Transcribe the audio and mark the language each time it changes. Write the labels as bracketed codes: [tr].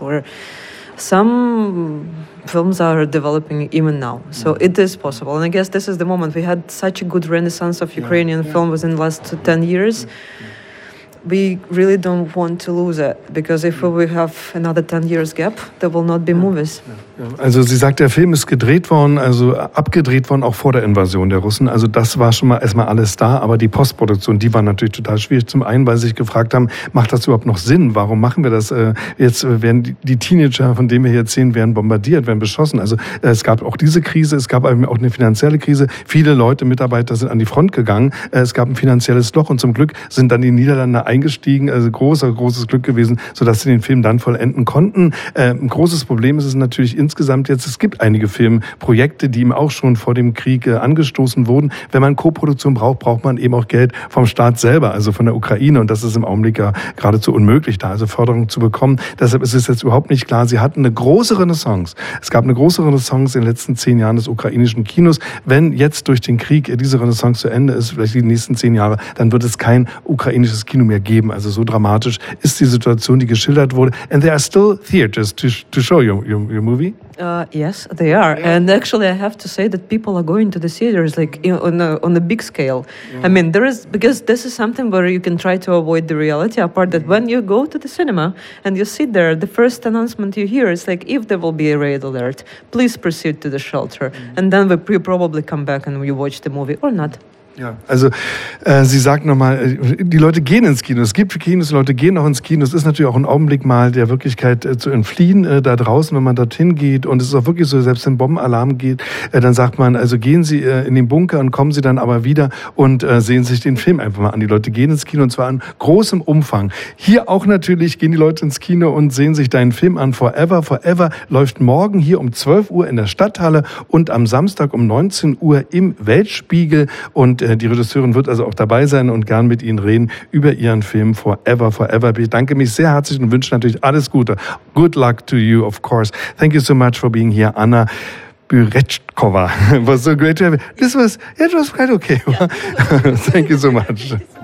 [en] Or some films are developing even now, so it is possible. And I guess this is the moment. We had such a good renaissance of Ukrainian film within the last 10 years. We really don't want to lose it, because if we have another 10 years gap, there will not be movies. [de] Also sie sagt, der Film ist gedreht worden, also abgedreht worden, auch vor der Invasion der Russen. Also das war schon mal erstmal alles da, aber die Postproduktion, die war natürlich total schwierig. Zum einen, weil sie sich gefragt haben, macht das überhaupt noch Sinn? Warum machen wir das? Jetzt werden die Teenager, von denen wir hier erzählen, werden bombardiert, werden beschossen. Also es gab auch diese Krise, es gab auch eine finanzielle Krise. Viele Leute, Mitarbeiter sind an die Front gegangen. Es gab ein finanzielles Loch und zum Glück sind dann die Niederlande eingestiegen. Also großes Glück gewesen, sodass sie den Film dann vollenden konnten. Ein großes Problem ist es natürlich insgesamt jetzt, es gibt einige Filmprojekte, die eben auch schon vor dem Krieg angestoßen wurden. Wenn man Co-Produktion braucht, braucht man eben auch Geld vom Staat selber, also von der Ukraine. Und das ist im Augenblick ja geradezu unmöglich, da also Förderung zu bekommen. Deshalb ist es jetzt überhaupt nicht klar. Sie hatten eine große Renaissance. Es gab eine große Renaissance in den letzten 10 Jahren des ukrainischen Kinos. Wenn jetzt durch den Krieg diese Renaissance zu Ende ist, vielleicht die nächsten 10 Jahre, dann wird es kein ukrainisches Kino mehr geben. Also so dramatisch ist die Situation, die geschildert wurde. [en] And there are still theaters to show your movie. Yes, they are. Yeah. And actually, I have to say that people are going to the theaters like on a big scale. Yeah. I mean, there is, because this is something where you can try to avoid the reality, apart that when you go to the cinema and you sit there, the first announcement you hear is like, if there will be a raid alert, please proceed to the shelter. And then we probably come back and we watch the movie or not. [de] Ja, also sie sagt nochmal, die Leute gehen ins Kino, es gibt Kinos, Leute gehen auch ins Kino, es ist natürlich auch ein Augenblick mal der Wirklichkeit zu entfliehen da draußen, wenn man dorthin geht, und es ist auch wirklich so, selbst wenn Bombenalarm geht, dann sagt man, also gehen Sie in den Bunker und kommen Sie dann aber wieder und sehen sich den Film einfach mal an. Die Leute gehen ins Kino und zwar in großem Umfang. Hier auch natürlich gehen die Leute ins Kino und sehen sich deinen Film an. Forever, Forever läuft morgen hier um 12 Uhr in der Stadthalle und am Samstag um 19 Uhr im Weltspiegel, und die Regisseurin wird also auch dabei sein und gern mit Ihnen reden über Ihren Film Forever, Forever. Ich bedanke mich sehr herzlich und wünsche natürlich alles Gute. [en] Good luck to you, of course. Thank you so much for being here, Anna Buretschkova. Was so great to have you. This was quite okay. Yeah. Thank you so much.